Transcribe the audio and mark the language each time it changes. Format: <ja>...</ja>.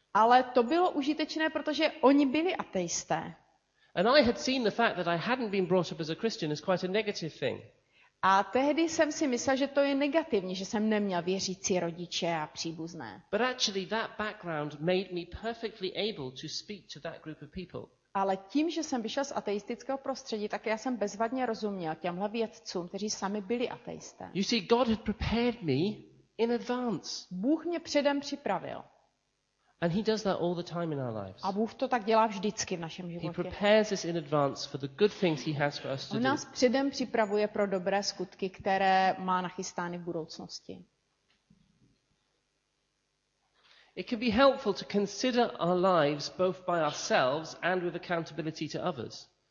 <cs>Ale to bylo užitečné, protože oni byli ateisté.</cs> <en>And I had seen the fact that I hadn't been brought up as a Christian is quite a negative thing.</en> <cs>A tehdy jsem si myslel, že to je negativní, že jsem neměl věřící rodiče a příbuzné.</cs> <en>But actually that background made me perfectly able to speak to that group of people.</en> <cs>Ale tím, že jsem vyšel z ateistického prostředí, tak já jsem bezvadně rozuměl těmhle vědcům, kteří sami byli ateisté.</cs> <en>You see, God had prepared me in advance.</en> <cs>Bůh mě předem připravil.</cs> <en>And he does that all the time in our lives.</en> <cs>A Bůh to tak dělá vždycky v našem životě.</cs> <en>He prepares us in advance for the good things he has for us to do.</en> <cs>On nás předem připravuje pro dobré skutky, které má nachystány v budoucnosti.</cs> <en>It can be helpful to consider our lives both by ourselves and with accountability to others.</en>